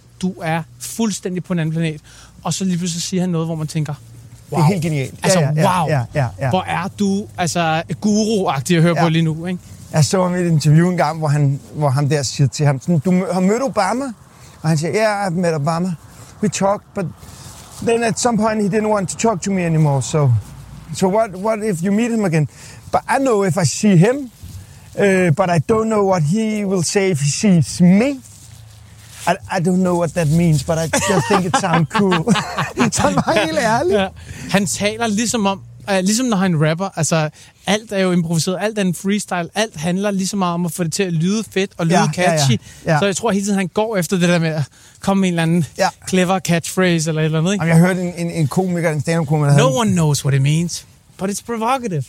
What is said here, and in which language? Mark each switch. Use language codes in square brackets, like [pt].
[da] Du er fuldstændig på en anden planet. Og så lige pludselig siger han noget, hvor man tænker, wow. Det er helt genialt. Altså, wow. Ja. Hvor er du altså guru-agtig at høre på lige nu, ikke? Jeg så ham i et interview en gang, hvor han der siger til ham, du har mødt Obama? Og han siger, [en] yeah, I've met Obama. We talked, but then at some point he didn't want to talk to me anymore. So what if you meet him again? But I know if I see him, but I don't know what he will say if he sees me. I don't know what that means, but I just think it sounds cool. [da] Så er han helt ærlig. Ja. Han taler ligesom om, ligesom når han rapper, altså alt er jo improviseret, alt er en freestyle, alt handler ligesom om at få det til at lyde fedt og lyde catchy. Ja. Så jeg tror hele tiden, han går efter det der med at komme med en eller anden clever catchphrase eller et eller andet. Jamen, jeg hørte en komiker, en stand-up komiker. [en] No one knows what it means, but it's provocative.